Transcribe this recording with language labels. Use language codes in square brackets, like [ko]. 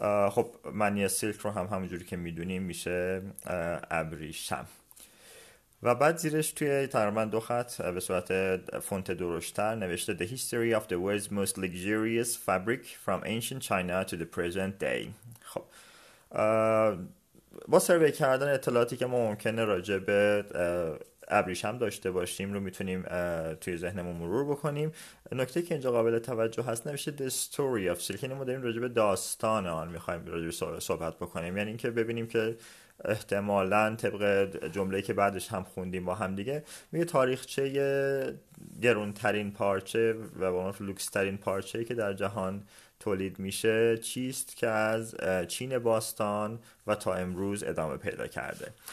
[fa] خب معنی سیلک رو هم همونجوری که میدونیم میشه ابریشم. و بعد زیرش توی تقریبا دو خط به صورت فونت درشت‌تر نوشته [en] The history of the world's most luxurious fabric from ancient China to the present day. [fa] خب با سروی کردن اطلاعاتی که ما ممکنه راجع به ابریشم داشته باشیم رو میتونیم توی ذهنمون مرور بکنیم. نکته که اینجا قابل توجه هست نوشته [en] The story of silk. [fa] یعنی ما داریم راجع به داستان آن میخواییم راجع به صحبت بکنیم، یعنی اینکه ببینیم که احتمالاً طبق جمله‌ای که بعدش هم خوندیم با هم دیگه میگه تاریخچه گرونترین پارچه و با ما لوکسترین پارچه‌ای که در جهان تولید میشه چیست که از چین باستان و تا امروز ادامه پیدا کرده.